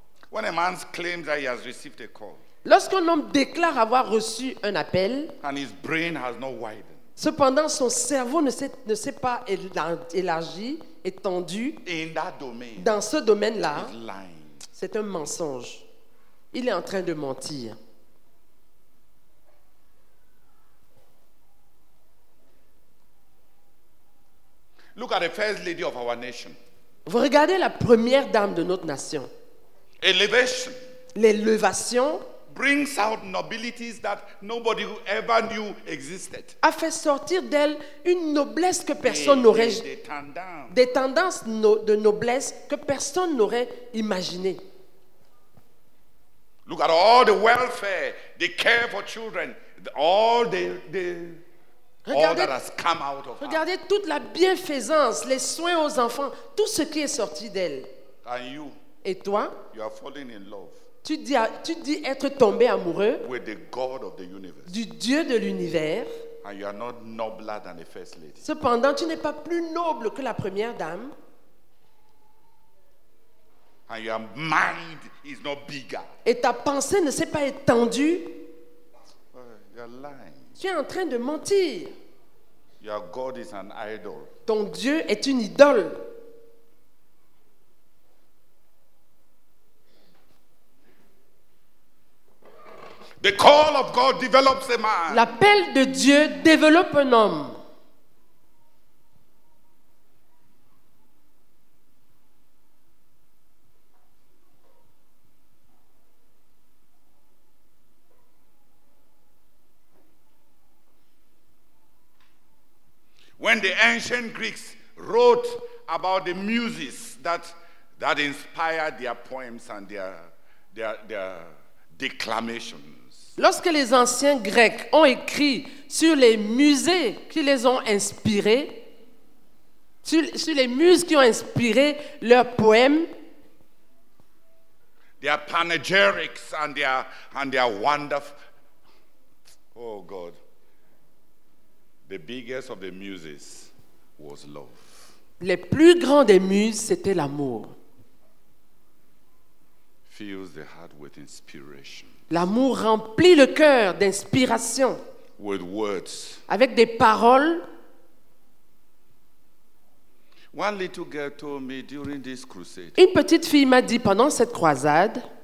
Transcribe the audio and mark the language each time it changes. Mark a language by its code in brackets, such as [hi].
[en] When a man claims that he has received a call, [fr] lorsqu'un homme déclare avoir reçu un appel, [en] and his brain has not widened, [fr] cependant son cerveau ne s'est pas élargi, étendu, [en] in that domain, [fr] dans ce domaine-là, [en] he's lying. [fr] C'est un mensonge. Il est en train de mentir. [en] Look at the first lady of our nation. [fr] Vous regardez la première dame de notre nation. [en] Elevation. [fr] L'élévation [en] brings out nobilities that nobody ever knew existed. [fr] A fait sortir d'elle une noblesse que personne n'aurait des tendances de noblesse que personne n'aurait imaginé. [en] Look at all the welfare, the care for children, [fr] Regardez toute la bienfaisance, les soins aux enfants, tout ce qui est sorti d'elle. [en] And you, [fr] et toi, [en] you are falling in love, [fr] tu dis être tombé amoureux [en] with the God of the universe, [fr] du Dieu de l'univers. [en] And you are not nobler than the first lady. [fr] Cependant, tu n'es pas plus noble que la première dame. [en] And your mind is not bigger. [fr] Et ta pensée ne s'est pas étendue. [en] You're lying. [fr] Tu es en train de mentir. [en] Your God is an idol. [fr] Ton Dieu est une idole. [en] The call of God develops a man. [fr] L'appel de Dieu développe un homme. [en] When the ancient Greeks wrote about the muses that inspired their poems and their declamations. [fr] Lorsque les anciens Grecs ont écrit sur les muses qui les ont inspirés, sur les muses qui ont inspiré leurs poèmes, [en] their panegyrics and their wonderful. Oh God. The biggest of the muses was love. [fr] Les plus grands des muses, c'était l'amour. [en] Fills the heart with inspiration. [fr] L'amour remplit le cœur d'inspiration. [en] With words. [fr] Avec des paroles. [en] One little girl told me during this crusade. [fr] Une petite fille m'a dit pendant cette croisade.